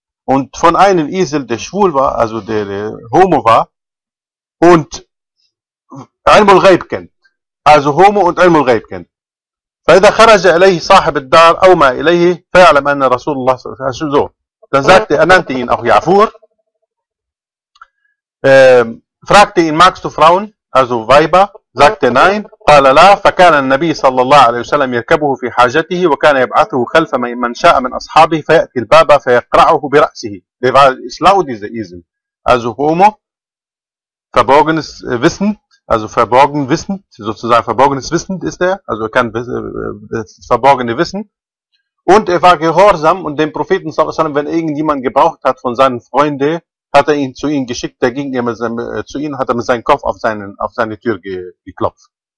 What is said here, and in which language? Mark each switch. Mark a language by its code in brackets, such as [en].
[de] Und von einem Esel, der schwul war, also der Homo war, und Ilm al-Ghaib kennt. Also Homo und Ilm al-Ghaib kennt. [ar] فَإِذَا خَرَجَ إِلَيْهِ صَاحِبِ الدَّارِ أَوْ مَا إِلَيْهِ فَيَعْلَمْ أَنَّ رَسُولُ اللَّهِ صَلَّى اللَّهُ عَلَيْهِ وَسَلَّمَ. [de] Dann sagte er, nannte ihn auch Ya'fur, fragte ihn, magst du Frauen, also Weiber? Sagte nein. [ar] قال لا فكان النبي صلى الله عليه وسلم يركبه في حاجته وكان يبعثه خلف من شاء من أصحابه فيأتي الباب فيقرعه برأسه. [de] Der war schlau, dieser Esel. Also Homo, verborgenes Wissen, also verborgen Wissen, sozusagen verborgenes Wissen ist er, also er kann das verborgene Wissen. Und er war gehorsam und dem Propheten صلى الله عليه وسلم, wenn irgendjemand gebraucht hat von seinen Freunden, hat er ihn zu ihm geschickt, der ging immer zu ihm, hat er mit seinem Kopf auf seine Tür geklopft.